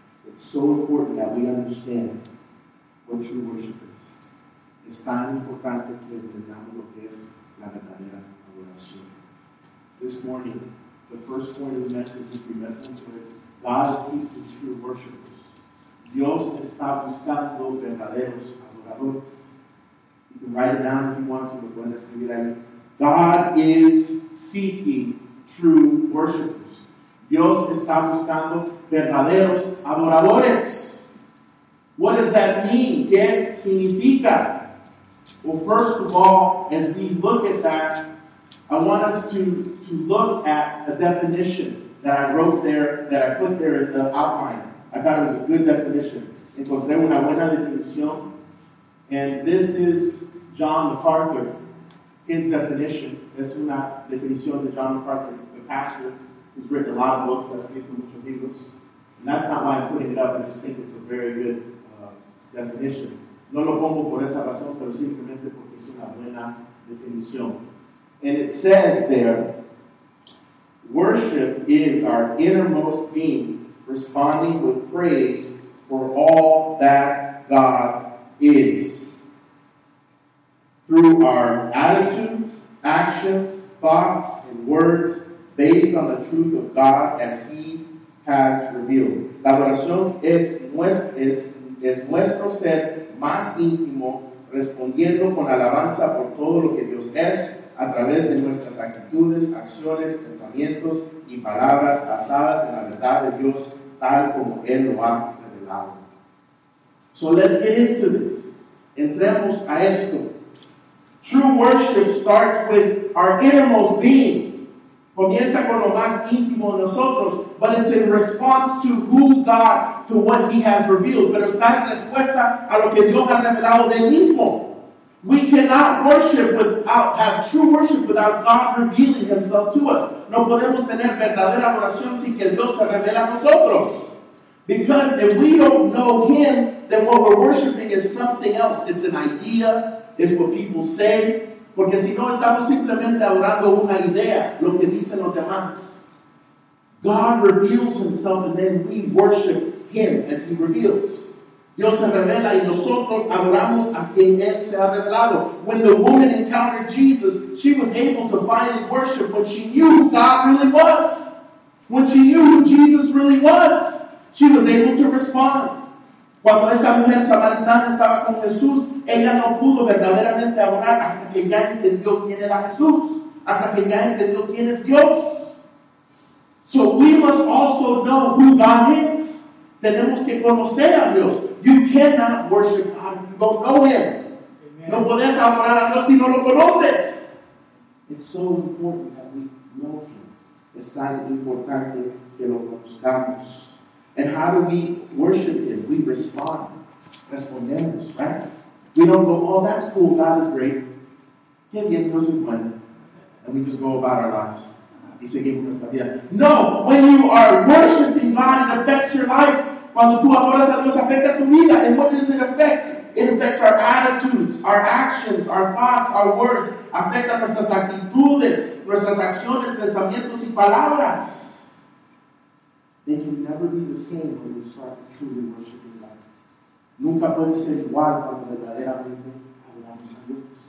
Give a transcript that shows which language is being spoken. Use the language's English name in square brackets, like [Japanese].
[English] It's so important that we understand what true worship is. [Spanish] Es tan importante que entendamos lo que es la verdadera adoración. [English] This morning, the first point of the message is the message was God seeks true worshipers. [Spanish] Dios está buscando verdaderos adoradores. [English] You can write it down if you want to. [Spanish] Lo pueden escribir ahí. [English] God is seeking true worshipers. [Spanish] Dios está buscando verdaderos adoradores. [English] What does that mean? [Spanish] ¿Qué significa? [English] Well, first of all, as we look at that, I want us to look at a definition that I wrote there, that I put there in the outline. I thought it was a good definition. [Spanish] Encontré una buena definición. [English] And this is John MacArthur, his definition. [Spanish] Es una definición de John MacArthur. [English] Pastor who's written a lot of books, [Spanish] has escrito muchos libros, [English] and that's not why I'm putting it up. I just think it's a very good definition. [Spanish] No lo pongo por esa razón, pero simplemente porque es una buena definición. [English] And it says there, worship is our innermost being responding with praise for all that God is. Through our attitudes, actions, thoughts, and words, based on the truth of God as he has revealed. [Spanish] La adoración es nuestro ser más íntimo respondiendo con alabanza por todo lo que Dios es a través de nuestras actitudes, acciones, pensamientos y palabras basadas en la verdad de Dios tal como él lo ha revelado. [English] So let's get into this. [Spanish] Entremos a esto. [English] True worship starts with our innermost being. [Spanish] Comienza con lo más íntimo de nosotros, [English] but it's in response to who God, to what he has revealed. [Spanish] Pero está en respuesta a lo que Dios ha revelado de mismo. [English] We cannot worship without, have true worship without God revealing himself to us. [Spanish] No podemos tener verdadera adoración sin que Dios se revele a nosotros. [English] Because if we don't know him, then what we're worshiping is something else. It's an idea. It's what people say. [Spanish] Porque si no, estamos simplemente adorando una idea, lo que dicen los demás. [English] God reveals himself and then we worship him as he reveals. [Spanish] Dios se revela y nosotros adoramos a quien él se ha revelado. [English] When the woman encountered Jesus, she was able to finally worship when she knew who God really was. When she knew who Jesus really was, she was able to respond. [Spanish] Cuando esa mujer samaritana estaba con Jesús, ella no pudo verdaderamente adorar hasta que ya entendió quién era Jesús, hasta que ya entendió quién es Dios. [English] So we must also know who God is. [Spanish] Tenemos que conocer a Dios. [English] You cannot worship God if you don't know him. Amen. [Spanish] No puedes adorar a Dios si no lo conoces. [English] It's so important that we know him. [Spanish] Es tan importante que lo conozcamos. [English] And how do we worship him? We respond. [Spanish] Respondemos, [English] right? We don't go, oh, that's cool, God is great. [Spanish] Qué bien, Dios es bueno. [English] And we just go about our lives. [Spanish] Y seguimos nuestra vida. [English] No, when you are worshiping God, it affects your life. [Spanish] Cuando tú adoras a Dios, afecta tu vida. [English] And what does it affect? It affects our attitudes, our actions, our thoughts, our words. [Spanish] Afecta nuestras actitudes, nuestras acciones, pensamientos y palabras. [English] They can never be the same when you start truly worshiping God. [Spanish] Nunca puede ser igual cuando verdaderamente adoramos a Dios.